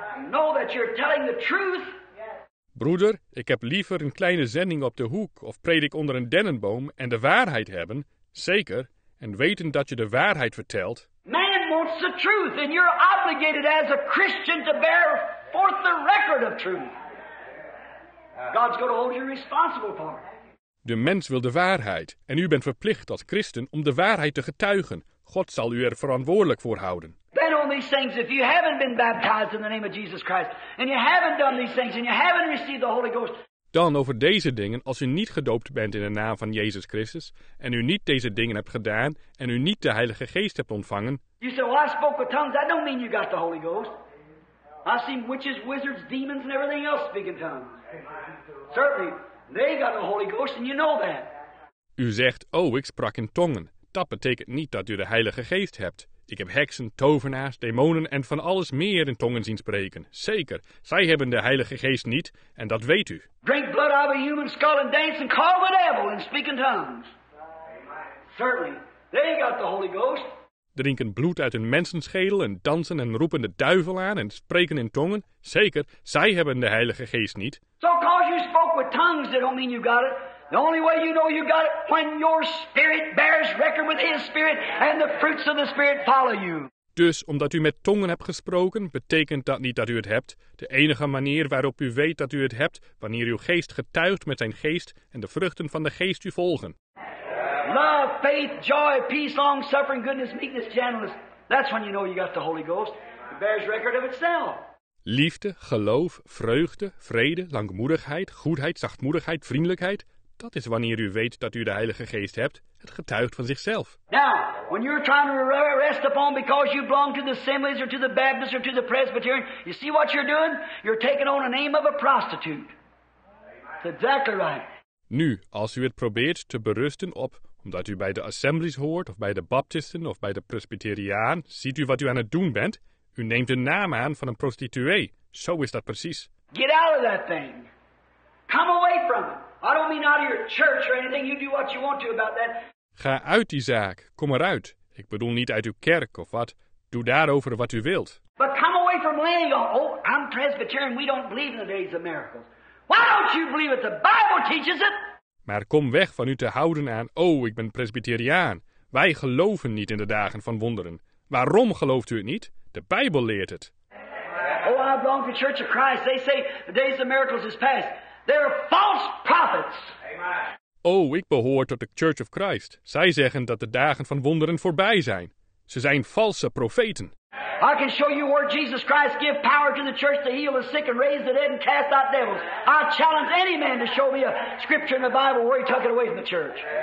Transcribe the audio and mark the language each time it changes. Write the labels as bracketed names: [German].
[English] Know that you're telling the truth. [Dutch] Broeder, ik heb liever een kleine zending op de hoek of predik onder een dennenboom en de waarheid hebben, zeker, en weten dat je de waarheid vertelt. [English] Man wants the truth, and you're obligated as a Christian to bear forth the record of truth. God's going to hold you responsible for it. [Dutch] De mens wil de waarheid, en u bent verplicht als Christen om de waarheid te getuigen. God zal u er verantwoordelijk voor houden. [English] Then on these things, if you haven't been baptized in the name of Jesus Christ, and you haven't done these things, and you haven't received the Holy Ghost. [Dutch] Dan over deze dingen, als u niet gedoopt bent in de naam van Jezus Christus, en u niet deze dingen hebt gedaan, en u niet de Heilige Geest hebt ontvangen. [English] You say, well, I spoke with tongues. That don't mean you got the Holy Ghost. I've seen witches, wizards, demons, and everything else speak in tongues. Certainly, they got the Holy Ghost, and you know that. [Dutch] U zegt, oh, ik sprak in tongen. Dat betekent niet dat u de Heilige Geest hebt. Ik heb heksen, tovenaars, demonen en van alles meer in tongen zien spreken. Zeker, zij hebben de Heilige Geest niet, en dat weet u. [English] Drink blood out of a human skull and dance and call the devil and speak in tongues. Certainly, they got the Holy Ghost. [Dutch] Drinken bloed uit een mensenschedel en dansen en roepen de duivel aan en spreken in tongen. Zeker, zij hebben de Heilige Geest niet. [English] So cause you spoke with tongues, that don't mean you got it. The only way you know you got it, when your spirit bears record with his spirit and the fruits of the spirit follow you. [Dutch] Dus omdat u met tongen hebt gesproken, betekent dat niet dat u het hebt. De enige manier waarop u weet dat u het hebt, wanneer uw geest getuigt met zijn geest en de vruchten van de geest u volgen. [English] Love, faith, joy, peace, long suffering, goodness, meekness, gentleness. That's when you know you got the Holy Ghost. It bears record of itself. [Dutch] Liefde, geloof, vreugde, vrede, langmoedigheid, goedheid, zachtmoedigheid, vriendelijkheid. Dat is wanneer u weet dat u de Heilige Geest hebt. Het getuigt van zichzelf. [English] Now, when you're trying to rest upon because you belong to the Assemblies or to the Baptists or to the Presbyterian, you see what you're doing? You're taking on the name of a prostitute. That's exactly right. [Dutch] Nu, als u het probeert te berusten op, omdat u bij de Assemblies hoort, of bij de Baptisten, of bij de Presbyteriaan, ziet u wat u aan het doen bent? U neemt de naam aan van een prostituee. Zo is dat precies. [English] Get out of that thing. Come away from it. I don't mean out of your church or anything. You do what you want to about that. [Dutch] Ga uit die zaak. Kom eruit. Ik bedoel niet uit uw kerk of wat. Doe daarover wat u wilt. [English] But come away from laying on. Oh, I'm Presbyterian. We don't believe in the days of miracles. Why don't you believe it? The Bible teaches it. [Dutch] Maar kom weg van u te houden aan. Oh, ik ben Presbyteriaan. Wij geloven niet in de dagen van wonderen. Waarom gelooft u het niet? De Bijbel leert het. [English] Oh, I belong to the Church of Christ. They say the days of miracles is past. They're false prophets. Amen. [Dutch] Oh, ik behoor tot de Church of Christ. Zij zeggen dat de dagen van wonderen voorbij zijn. Ze zijn valse profeten. [English] I can show you where Jesus Christ gives power to the church to heal the sick and raise the dead and cast out devils. I challenge any man to show me a scripture in the Bible where he took it away from the church.